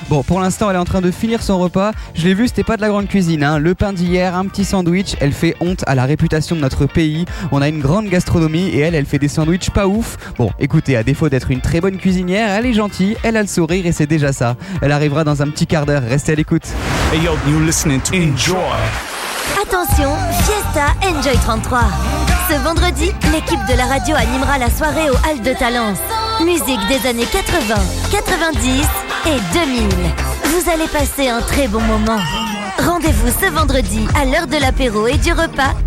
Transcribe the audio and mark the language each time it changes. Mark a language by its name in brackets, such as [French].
[French] Bon, pour l'instant, elle est en train de finir son repas. Je l'ai vu, c'était pas de la grande cuisine. Hein. Le pain d'hier, un petit sandwich, elle fait honte à la réputation de notre pays. On a une grande gastronomie et elle, elle fait des sandwichs pas ouf. Bon, écoutez, à défaut d'être une très bonne cuisinière, elle est gentille, elle a le sourire et c'est déjà ça. Elle arrivera dans un petit quart d'heure, restez à l'écoute. [English] Hey yo, you listening to Enjoy. [French] Attention, Fiesta Enjoy 33. Ce vendredi, l'équipe de la radio animera la soirée au Hall de Talence. Musique des années 80, 90 et 2000. Vous allez passer un très bon moment. Rendez-vous ce vendredi à l'heure de l'apéro et du repas.